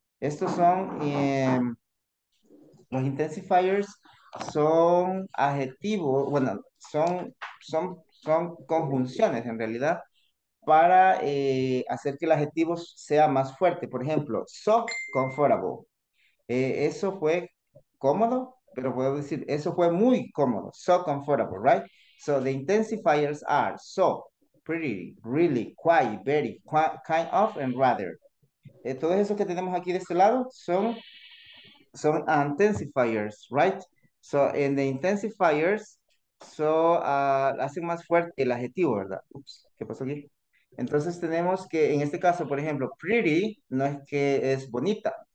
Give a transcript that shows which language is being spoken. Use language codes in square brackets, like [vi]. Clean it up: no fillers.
[es] Estos son, los intensifiers son adjetivos, bueno, son conjunciones en realidad para hacer que el adjetivo sea más fuerte. Por ejemplo, [en] so comfortable. [es] Eso fue cómodo. Pero puedo decir, eso fue muy cómodo, [en] so comfortable, right? So the intensifiers are so, pretty, really, quite, very, quite, kind of, and rather. [es] Todos esos que tenemos aquí de este lado son intensifiers, [en] right? So in the intensifiers, [es] so hacen más fuerte el adjetivo, ¿verdad? Ups, ¿qué pasó aquí? Entonces tenemos que, en este caso, por ejemplo, pretty no es que es bonita.